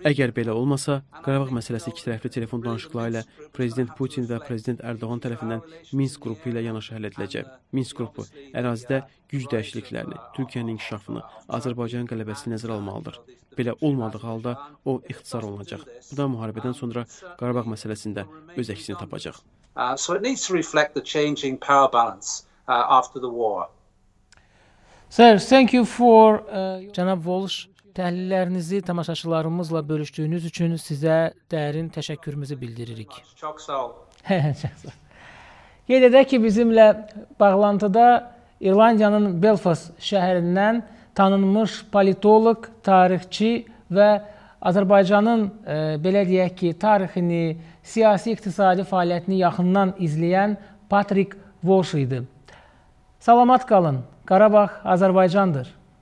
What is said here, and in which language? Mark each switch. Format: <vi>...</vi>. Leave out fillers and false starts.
<az>Əgər belə olmasa, Qarabağ məsələsi iki tərəfli telefon danışıqları ilə Prezident Putin və Prezident Erdoğan tərəfindən Minsk qrupu ilə yanaşı həll ediləcək. Minsk qrupu ərazidə güc dəyişikliklərini, Türkiyənin inkişafını, Azərbaycanın qələbəsini nəzərə almalıdır. Belə olmadığı halda o ixtisar olunacaq. Bu da müharibədən sonra Qarabağ məsələsində öz əksini tapacaq.</az> <en>So it needs to reflect the changing power balance after the war. Sir, thank you for</en> <az>Cənab Walsh, təhlillərinizi tamaşaçılarımızla bölüşdüyünüz üçün sizə dərin təşəkkürümüzü bildiririk. Çox sağ ol. Çox sağ ol. Qeyd edək ki, bizimlə bağlantıda İrlandiyanın Belfast şəhərindən tanınmış politoloq, tarixçi və Azərbaycanın belə deyək ki, tarixini, siyasi iqtisadi fəaliyyətini yaxından izləyən Patrick Walsh idi. Salamat qalın. Qarabağ Azərbaycandır.</az>